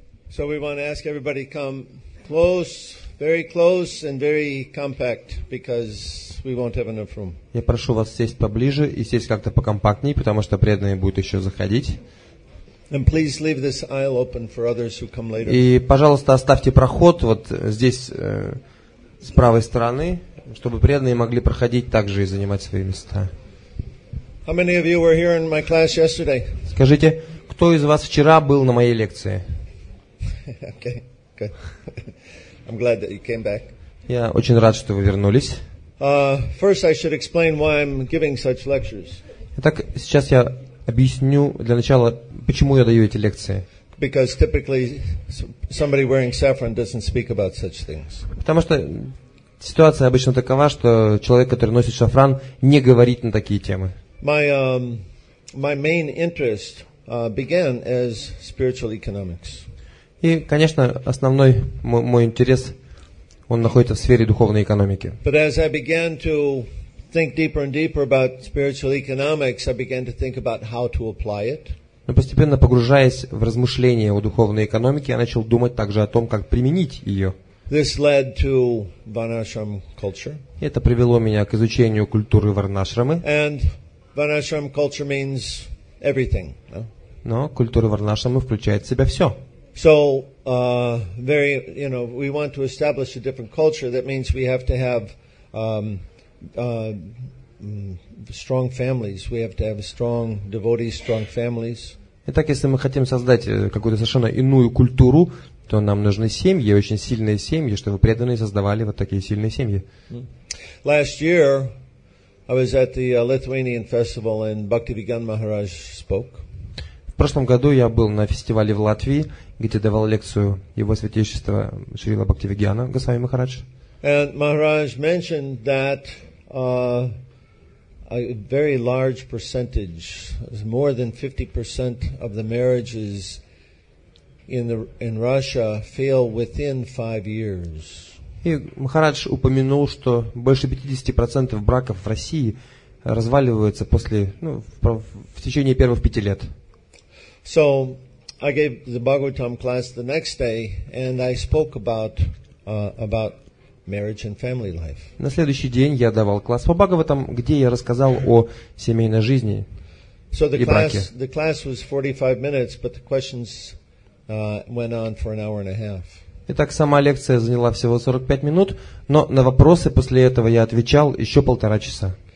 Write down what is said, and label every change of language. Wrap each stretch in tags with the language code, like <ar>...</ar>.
<en>So we want to ask everybody to come close and very compact, because we won't have enough room.</en> <ru>Я прошу вас сесть поближе и сесть как-то покомпактнее, потому что преданные будут еще заходить.</ru> <en>And please leave this aisle open for others who come later.</en> <ru>И, пожалуйста, оставьте проход вот здесь с правой стороны, чтобы преданные могли проходить также и занимать свои места.</ru> <en>How many of you were here in my class yesterday?</en> <ru>Скажите, кто из вас вчера был на моей лекции?</ru> <en>Okay, good. I'm glad that you came back.</en> <ru>Я очень рад, что вы вернулись.</ru> <en>First, I should explain why I'm giving such lectures.</en> <ru>Итак, сейчас я объясню для начала, почему я даю эти лекции.</ru> <en>Because typically, somebody wearing saffron doesn't speak about such things.</en> <ru>Потому что ситуация обычно такова, что человек, который носит шафран, не говорит на такие темы.</ru> <en>My main interest began as spiritual economics.</en> <ru>И, конечно, основной мой интерес, он находится в сфере духовной экономики.</ru> <en>But as I began to think deeper and deeper about spiritual economics, I began to think about how to apply it.</en> <ru>Но постепенно погружаясь в размышления о духовной экономике, я начал думать также о том, как применить ее.</ru> <en>This led to Varnashram culture.</en> <ru>Это привело меня к изучению культуры Варнашрамы.</ru> <en>And Varnashram culture means everything.</en> <ru>Но культура Варнашрамы включает в себя все.</ru> <en>So, very, you know, we want to establish a different culture. That means we have to have strong families. We have to have strong devotees, strong families.</en> <ru>Итак, если мы хотим создать какую-то совершенно иную культуру, то нам нужны семьи, очень сильные семьи, чтобы преданные создавали вот такие сильные семьи.</ru> <en>Last year, I was at the Lithuanian festival, and Bhaktivedanta Maharaj spoke.</en> <ru>В прошлом году я был на фестивале в Латвии, где давал лекцию Его Святейшества Шрила Бхактивиджана Госвами Махарадж.</ru> <en>And Maharaj mentioned that a very large percentage, more than 50% of the marriages in Russia fail within 5 years.</en> <ru>И Махарадж упомянул, что больше 50% браков в России разваливаются после, ну, в течение первых 5 лет.</ru> <en>So I gave the Bhagavatam class the next day, and I spoke about marriage and family life.</en> <ru>На следующий день я давал класс по Бхагаватам, где я рассказал о семейной жизни и браке.</ru> <en>So the class was 45 minutes, but the questions went on for an hour and a half.</en> <ru>Итак, сама лекция заняла всего 45 минут, но на вопросы после этого я отвечал еще 1.5 часа.</ru>